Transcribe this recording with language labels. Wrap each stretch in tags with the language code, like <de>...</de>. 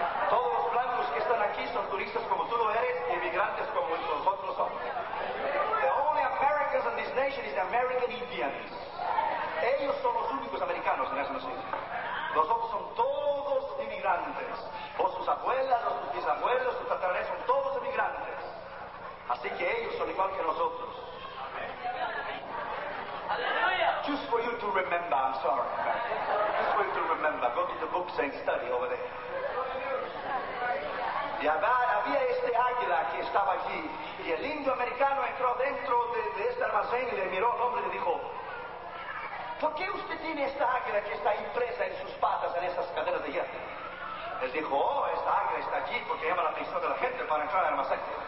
<es>Todos los blancos que están aquí son turistas como tú lo eres, y inmigrantes como nosotros somos.</es> <en>The only Americans in this nation is the American Indians.</en> <es>Ellos son los únicos americanos en esta nación. Nosotros son todos inmigrantes. O sus abuelas, o sus bisabuelos, sus tatarabuelos, son todos inmigrantes. Así que ellos son igual que nosotros. Aleluya.</es> <en>Just for you to remember, I'm sorry. Just for you to remember, go to the books and study over there.</en> <es>Y había este águila que estaba allí, y el indio americano entró dentro de este almacén y le miró al hombre y le dijo: ¿por qué usted tiene esta águila que está impresa en sus patas, en esas cadenas de hierro? Él dijo: oh, esta águila está allí porque llama la atención de la gente para entrar al almacén.</es>